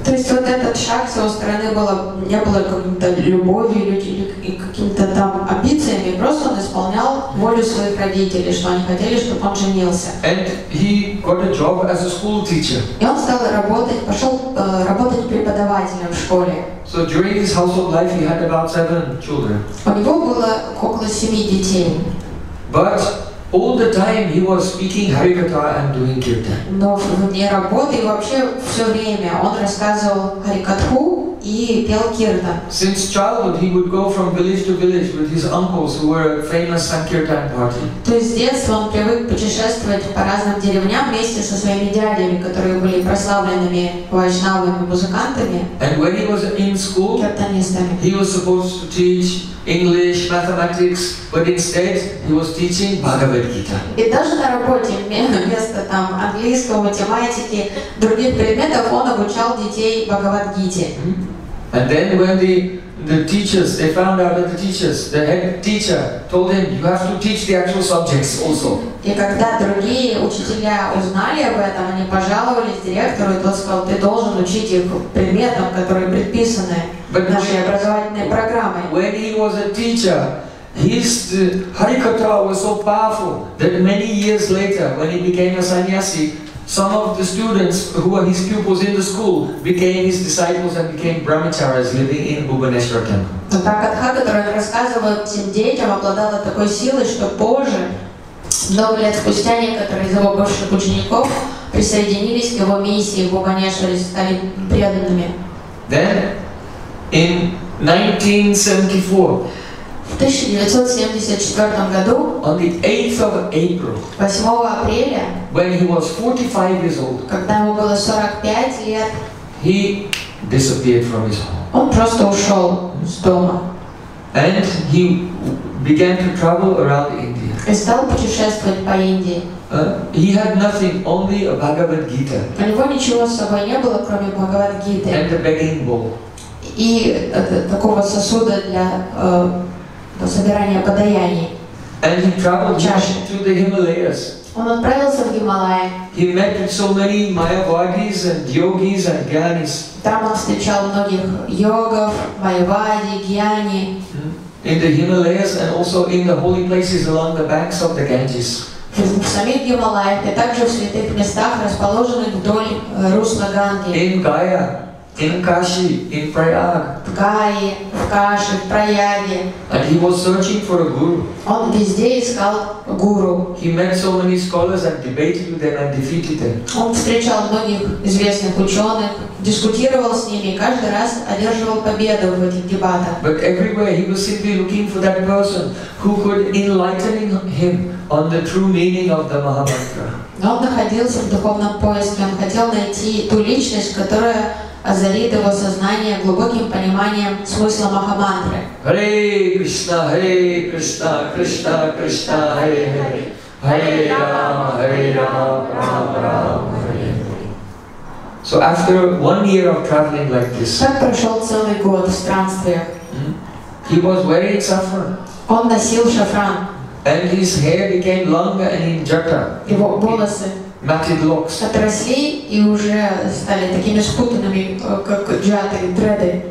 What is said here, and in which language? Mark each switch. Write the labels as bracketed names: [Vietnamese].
[Russian] То есть вот этот шаг с его стороны было не было каким-то любовью или каким-то там амбициями, просто он исполнял волю своих родителей, что они хотели, чтобы он женился. [English] And he got a job as a school teacher. [Russian] И он стал работать, пошел работать преподавателем в школе. [English] So during his household life, he had about 7 children. [Russian] У него было около 7 детей. [English] But all the time he was speaking Харикатха and doing Киртан. [Russian] Но вне работы и вообще все время он рассказывал Харикатху и пел Киртан. [English] Since childhood he would go from village to village with his uncles who were a famous Sankirtan party. [Russian] То есть с детства он привык путешествовать по разным деревням вместе со своими дядями, которые были прославленными вайшнавами музыкантами. [English] And when he was in school, [Russian] киртанистами, [English] he was supposed to teach English, mathematics, but instead he was teaching Bhagavad Gita. [Russian] И даже на работе вместо там английского, математики, других предметов он обучал детей Бхагавад Гите. [English] And then when the teachers, they found out that the teachers, the head teacher told him, you have to teach the actual subjects also. [Russian] И когда другие учителя узнали об этом, они пожаловались директору, и тот сказал, ты должен учить их предметам, которые предписаны нашей образовательной программой. [English] When he was a teacher, his Harikatha was so powerful that many years later, when he became a sannyasi, some of the students who were his pupils in the school became his disciples and became brahmacharis living in Bhubaneswar temple. [Russian] Но та катха, которая рассказывала этим детям, обладала такой силой, что позже, много лет спустя, некоторые из его бывших учеников присоединились к его миссии в Бхубанешваре, стали преданными. [English] Then, in 1974, [Russian] в 1974 году, [English] on the 8th of April, [Russian] 8 апреля, [English] when he was 45 years old, [Russian] когда ему было 45 лет, [English] he disappeared from his home. [Russian] Он просто ушел с дома. [English] And he began to travel around India. [Russian] И стал путешествовать по Индии. [English] He had nothing, only a Bhagavad Gita. [Russian] У него ничего с собой не было, кроме Бхагавад Гиты. [English] And a begging bowl. [Russian] И такого сосуда для собирания подаяний. [English] And he traveled to the Himalayas. [Russian] Он отправился в Гималаи. [English] He met with so many Mayavadis and yogis and gyanis. [Russian] Там он встречал многих йогов, майявади, гьяни. [English] In the Himalayas and also in the holy places along the banks of the Ganges. [Russian] В самих Гималаях и также в святых местах, расположенных вдоль русла Ганги. [English] In Gaya, in Kashi, in Prayag. [Russian] В Гае, в Каше, в Прояге. [English] And he was searching for a guru. [Russian] Он везде искал гуру. [English] He met so many scholars and debated with them and defeated them. [Russian] Он встречал многих известных ученых, дискутировал с ними, каждый раз одерживал победу в этих дебатах. [English] But everywhere he was simply looking for that person who could enlighten him on the true meaning of the Mahamantra. [Russian] Но он находился в духовном поиске, он хотел найти ту личность, которая озарит его сознание глубоким пониманием смысла Махамантры. [Sanskrit] Hare Krishna, Hare Krishna, Krishna Krishna, Hare Hare, Hare Rama, Hare Rama, Rama Rama, Hare Hare. [English] So after 1 year of traveling like this, [Russian] так прошел целый год в странствиях. [English] He was wearing saffron. [Russian] Он носил шафран. [English] And his hair became longer and in jata. [Russian] Его волосы. [English] Matted locks. [Russian] Отросли и уже стали такими спутанными, как джаты, дреды.